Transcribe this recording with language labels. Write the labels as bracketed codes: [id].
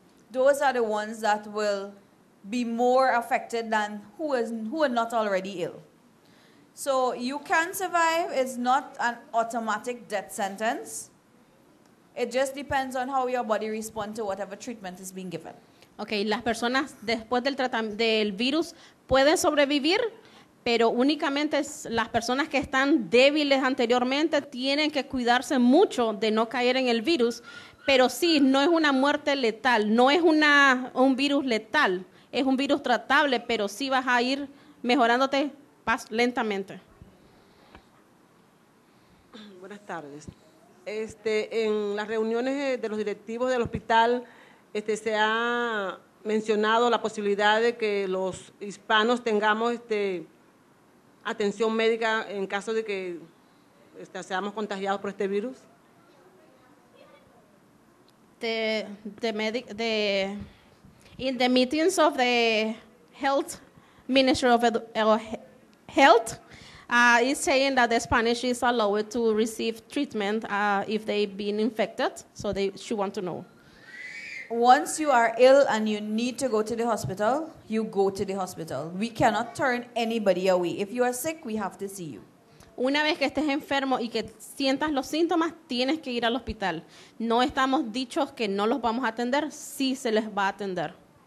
[en] Those are the ones that will be more affected than who are not already ill. So you can survive. It's not an automatic death sentence. It just depends on how your body responds to whatever treatment is being given. [es] Okay, las personas después del tratamiento del virus pueden sobrevivir, pero únicamente las personas que están débiles anteriormente tienen que cuidarse mucho de no caer en el virus. Pero sí, no es una muerte letal, no es un virus letal. Es un virus tratable, pero sí vas a ir mejorándote lentamente. Buenas tardes. En las reuniones de los directivos del hospital, se ha mencionado la posibilidad de que los hispanos tengamos atención médica en caso de que seamos contagiados por este virus. [en] In the meetings of the health ministry of health, is saying that the Spanish is allowed to receive treatment if they've been infected. So she want to know. Once you are ill and you need to go to the hospital, you go to the hospital. We cannot turn anybody away. If you are sick, we have to see you. [es] Una vez que estés enfermo y que sientas los síntomas, tienes que ir al hospital. No estamos dichos que no los vamos a atender, sí se les va a atender.